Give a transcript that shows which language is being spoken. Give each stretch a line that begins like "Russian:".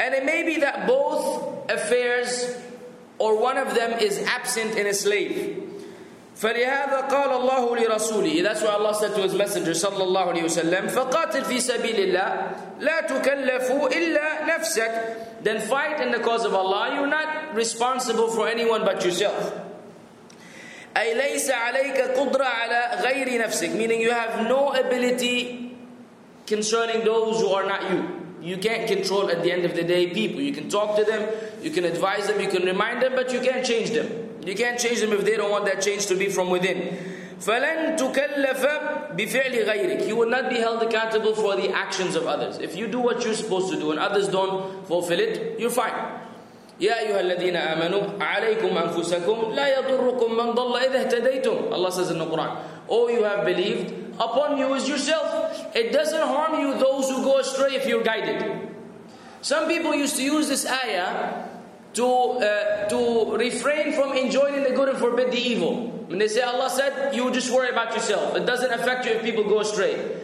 English: And it may be that both affairs or one of them is absent in a slave.
Arabic: فَلِهَذَا قَالَ اللَّهُ لِرَسُولِهِ.
English: That's what Allah said to His Messenger sallallahu alayhi wa sallam.
Arabic: فَقَاتِلْ فِي سَبِيلِ اللَّهِ لَا تُكَلَّفُ إِلَّا نَفْسَكَ.
English: Then fight in the cause of Allah. You're not responsible for anyone but yourself.
Arabic: أي ليس عليك قدرة على غير نفسك.
English: Meaning you have no ability concerning those who are not you. You can't control, at the end of the day, people. You can talk to them, you can advise them, you can remind them, but you can't change them. You can't change them if they don't want that change to be from within.
Arabic: فَلَن تُكَلَّفَ بِفِعْلِ غَيْرِكَ.
English: You will not be held accountable for the actions of others. If you do what you're supposed to do and others don't fulfill it, you're fine.
Arabic: يا أيها الذين آمنوا عليكم أنفسكم لا يضركم من ضل إذا اهتديتم.
English: Allah says in the Quran, oh, you have believed, upon you is yourself. It doesn't harm you those who go astray if you're guided. Some people used to use this ayah to refrain from enjoining the good and forbid the evil. When they say, Allah said, you just worry about yourself. It doesn't affect you if people go astray.